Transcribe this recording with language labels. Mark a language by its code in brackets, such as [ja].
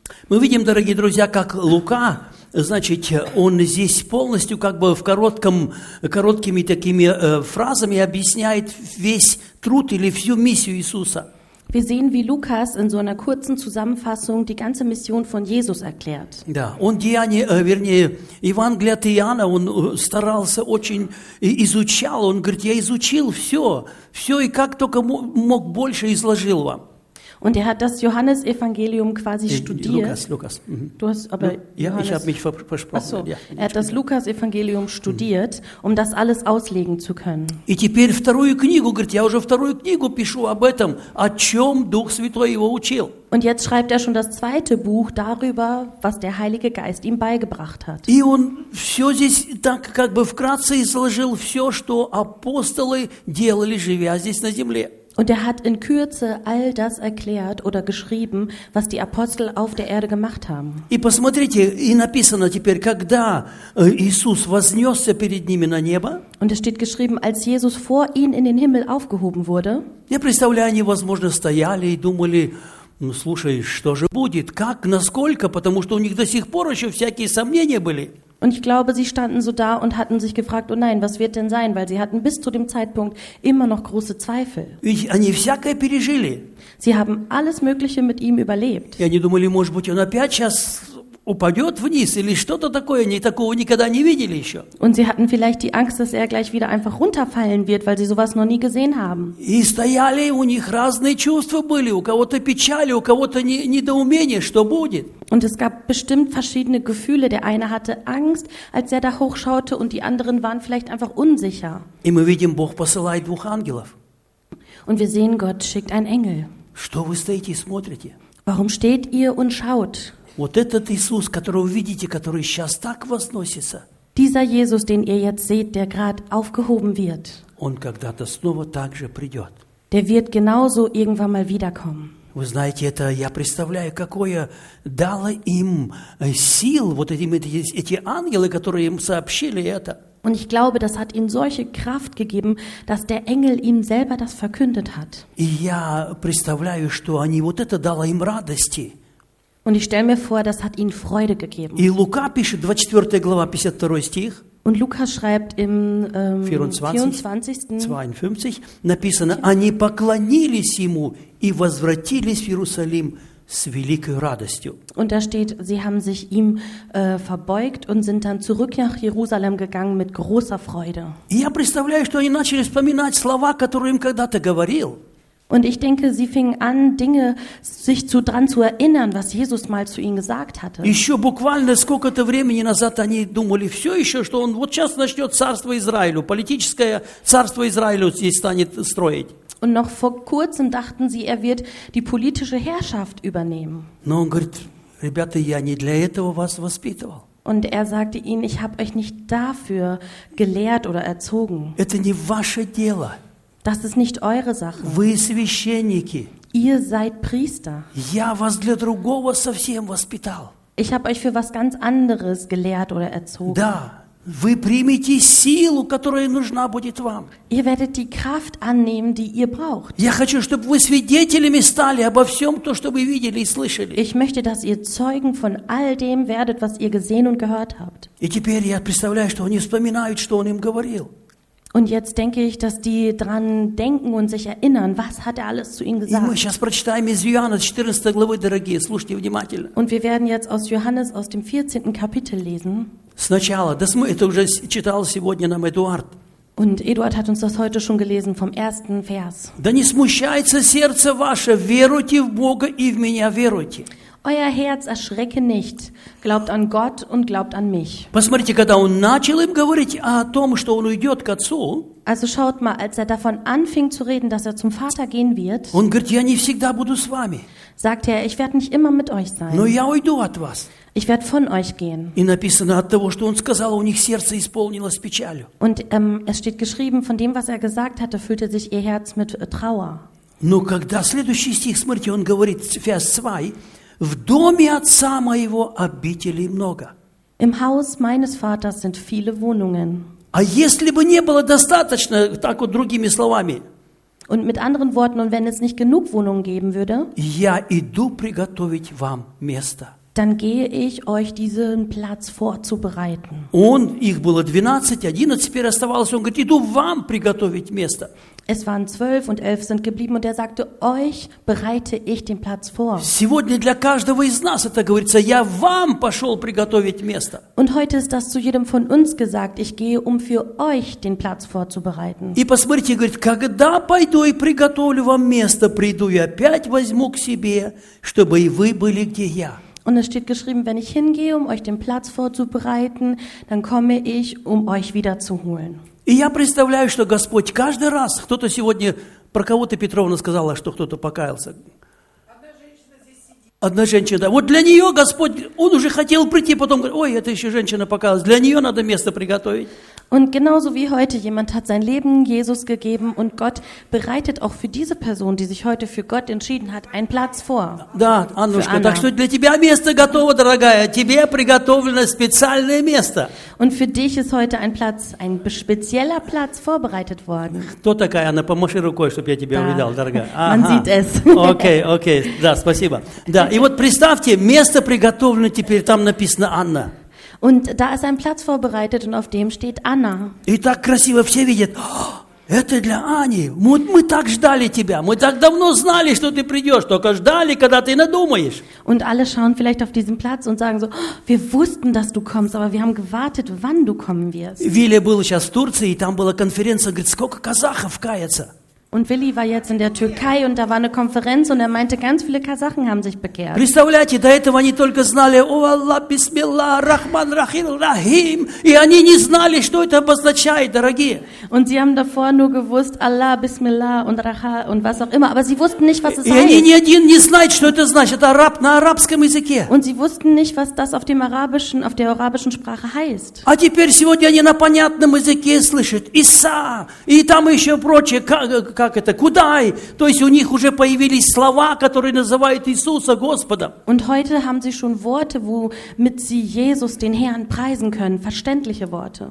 [ru] Мы видим, дорогие друзья, как Лука, значит, он здесь полностью как бы в короткими такими фразами объясняет весь труд или всю миссию Иисуса. [de] Wir sehen, wie Lukas in so einer kurzen Zusammenfassung die ganze Mission von Jesus erklärt. [ru] Да, он Деяния, вернее, Евангелие от Иоанна, он старался очень, изучал, он говорит, я изучил все, все и как только мог больше изложил вам. [de] Und er hat das Johannes-Evangelium quasi studiert. Lukas. Du hast aber Johannes. Ja, ich habe mich versprochen. Ach so. Er hat das Lukas-Evangelium studiert, um das alles auslegen zu können. [ru] И теперь вторую книгу, говорит, я уже вторую книгу пишу об этом, о чем Дух Святой его учил. [de] Und jetzt schreibt er schon das zweite Buch darüber, was der Heilige Geist ihm beigebracht hat. [ru] И он все здесь так как бы вкратце изложил все, что апостолы делали, живя здесь на земле. [de] Und er hat in Kürze all das erklärt oder geschrieben, was die Apostel auf der Erde gemacht haben. [ru] И посмотрите, и написано теперь, когда Иисус вознесся перед ними на небо. [de] Und es steht geschrieben, als Jesus vor ihnen in den Himmel aufgehoben wurde. [ru] Я представляю, они, возможно, стояли и думали, ну слушай, что же будет, как, насколько, потому что у них до сих пор еще всякие сомнения были. [de] Und ich glaube, sie standen so da und hatten sich gefragt, oh nein, was wird denn sein? Weil sie hatten bis zu dem Zeitpunkt immer noch große Zweifel. Sie haben alles Mögliche mit ihm überlebt. Und sie dachten, [ru] может быть, он опять сейчас упадет вниз или что-то такое, они такого никогда не видели еще. [de] Und sie hatten vielleicht die Angst, dass er gleich wieder einfach runterfallen wird, weil sie sowas noch nie gesehen haben. [ru] И стояли, у них разные чувства были, у кого-то печали, у кого-то недоумение, что будет. [de] Und es gab bestimmt verschiedene Gefühle. Der eine hatte Angst, als er da hochschaute, und die anderen waren vielleicht einfach unsicher. [ru] И мы видим, Бог посылает двух ангелов. [de] Und wir sehen, Gott schickt einen Engel. [ru] Что вы стоите и смотрите? [de] Warum steht ihr und schaut? [ru] Вот этот Иисус, которого вы видите, который сейчас так возносится. [de] Dieser Jesus, den ihr jetzt seht, der gerade aufgehoben wird. [ru] Он когда-то снова также придет. [de] Der wird genauso irgendwann mal wiederkommen. [ru] Вы знаете, это я представляю, какое дало им сил, вот эти ангелы, которые им сообщили это. [de] Und ich glaube, das hat ihm solche Kraft gegeben, dass der Engel ihm selber das verkündet hat. [ru] И я представляю, что они вот это дало им радости. [de] Und ich stelle mir vor, das hat ihnen Freude gegeben. [ru] И Лука пишет, 24 глава, 52 стих. [de] Und Lukas schreibt im [ru] 54, написано, они поклонились ему и возвратились в Иерусалим с великой радостью. [de] Und da steht, sie haben sich ihm verbeugt und sind dann zurück nach Jerusalem gegangen mit großer Freude. [ru] Я представляю, что они начали вспоминать слова, которые им когда-то говорил. [de] Und ich denke, sie fingen an, Dinge sich zu dran zu erinnern, was Jesus mal zu ihnen gesagt hatte. [ru] Еще буквально сколько-то времени назад они думали все еще, что он вот сейчас начнет царство Израилю, политическое царство Израилю здесь станет строить. [de] Und noch vor kurzem dachten sie, er wird die politische Herrschaft übernehmen. [ru] Но он говорит, ребята, я не для этого вас воспитывал. [de] Und er sagte ihnen, ich habe euch nicht dafür gelehrt oder erzogen. [ru] Это не ваше дело. [de] Das ist nicht eure Sache. [ru] Вы священники. [de] Ihr seid Priester. [ru] Я вас для другого совсем воспитал. [de] Ich habe euch für was ganz anderes gelehrt oder erzogen. [ru] Да, вы примете силу, которая нужна будет вам. [de] Ihr werdet die Kraft annehmen, die ihr braucht. [ru] Я хочу, чтобы вы свидетелями стали обо всем, то, что вы видели и слышали. [de] Ich möchte, dass ihr Zeugen von all dem werdet, was ihr gesehen und gehört habt. [ru] И теперь я представляю, что они вспоминают, что он им говорил. [de] Und jetzt denke ich, dass die dran denken und sich erinnern, was hat er alles zu ihnen gesagt. [ru] И мы сейчас прочитаем из Иоанна 14 главы, дорогие, слушайте внимательно. [de] Und wir werden jetzt aus Johannes aus dem 14. Kapitel lesen. [ru] Сначала, [de] das [ru] мы это уже читал сегодня нам Эдуард. [de] Und Eduard hat uns das heute schon gelesen vom ersten Vers. [ru] Да не смущается сердце ваше, веруйте в Бога и в меня веруйте. [de] Euer Herz erschrecke nicht, glaubt an Gott und glaubt an mich. [ru] Посмотрите, когда он начал им говорить о том, что он уйдет к отцу. [de] Also schaut mal, als er davon anfing zu reden, dass er zum Vater gehen wird. [ru] Он говорит, я не всегда буду с вами. [de] Sagt er, ich werde nicht immer mit euch sein. [ru] Но я уйду от вас. [de] Ich werde von euch gehen. [ru] И написано от того, что он сказал, у них сердце исполнилось печалью. [de] Und es steht geschrieben, von dem, was er gesagt hatte, füllte sich ihr Herz mit Trauer. [ru] Но когда следующий стих, смотрите, он говорит, [de] Vers 2, [ru] в доме отца моего обителей много. [de] Im Haus meines Vaters sind viele Wohnungen. [ru] А если бы не было достаточно, так вот другими словами. [de] Und mit anderen Worten, und wenn es nicht genug Wohnungen geben würde. [ru] Я иду приготовить вам место. [de] Dann gehe ich euch diesen Platz vorzubereiten. [ru] Он, их было 12, 11 теперь оставалось, он говорит, иду вам приготовить место. [de] Es waren 12 und 11 sind geblieben und er sagte, euch bereite ich den Platz vor. [ru] Сегодня для каждого из нас это говорится, я вам пошел приготовить место. [de] Und heute ist das zu jedem von uns gesagt, ich gehe, um für euch den Platz vorzubereiten. [ru] И посмотрите, говорит, когда пойду и приготовлю вам место, приду и опять возьму к себе, чтобы и вы были где я. [de] Und es steht geschrieben, wenn ich hingehe, um euch den Platz vorzubereiten, dann komme ich, um euch wiederzuholen. [ru] И я представляю, что Господь каждый раз, кто-то сегодня, про кого-то Петровна сказала, что кто-то покаялся. Одна женщина, да. Вот для нее Господь, он уже хотел прийти, потом говорит, ой, это еще женщина покаялась, для нее надо место приготовить. [de] Und genauso wie heute, jemand hat sein Leben Jesus gegeben und Gott bereitet auch für diese Person, die sich heute für Gott entschieden hat, einen Platz vor. [ru] Да, Аннушка, так что для тебя место готово, дорогая, тебе приготовлено специальное место. [de] Und für dich ist heute ein Platz, ein spezieller Platz vorbereitet worden. [ru] Кто такая, Анна, помаши рукой, чтобы я тебя увидал, дорогая. [de] Ага. Man sieht es. [ru] Окей, окей, да, спасибо. Да, и вот представьте, место приготовлено теперь, там написано Анна. [de] Und da ist ein Platz vorbereitet und auf dem steht Anna. [ru] И так красиво все видят. Это для Ани. Мы так ждали тебя. Мы так давно знали, что ты придешь. Только ждали, когда ты надумаешь. [de] Und alle schauen vielleicht auf diesen Platz und sagen so, wir wussten, dass du kommst, aber wir haben gewartet, wann du kommen wirst. [ru] Вилли был сейчас в Турции, и там была конференция, говорит, сколько казахов каятся. [de] Und Willi war jetzt in der Türkei und da war eine Konferenz und er meinte, ganz viele Kasachen haben sich bekehrt. [ru] Представляете, до этого они только знали, о Аллах, бисмиллах, рахман, рахим, рахим. И они не знали, что это обозначает, дорогие. [de] Und sie haben davor nur gewusst, Аллах, бисмиллах und раха und was auch immer. Aber sie wussten nicht, was es heißt. [ru] И они ни один не знают, что это значит, араб, на арабском языке. [de] Und sie wussten nicht, was das auf dem arabischen, auf der arabischen Sprache heißt. [ru] А теперь сегодня они на понятном языке слышат, Иса, и там еще прочее, как как это, куда? То есть у них уже появились слова, которые называют Иисуса Господом. [de] Und heute haben sie schon Worte, womit sie Jesus, den Herrn, preisen können, verständliche Worte.